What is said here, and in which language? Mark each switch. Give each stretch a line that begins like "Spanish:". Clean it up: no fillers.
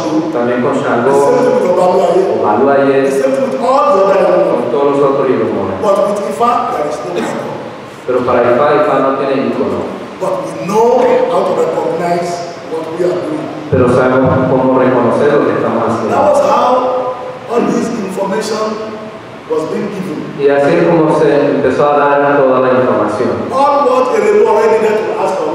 Spanish: También con Shango. Con Balu Aye. Con todos los otros hieros.
English: But with Ifá, there is no icon.
Spanish: Pero para Ifá, Ifá no tiene icono.
English: But we know how to recognize.
Spanish: Pero sabemos cómo reconocer lo que estamos haciendo.
English: That was how all this information was being given.
Spanish: Y así es como se empezó a dar toda la información.
English: All what he already had to ask for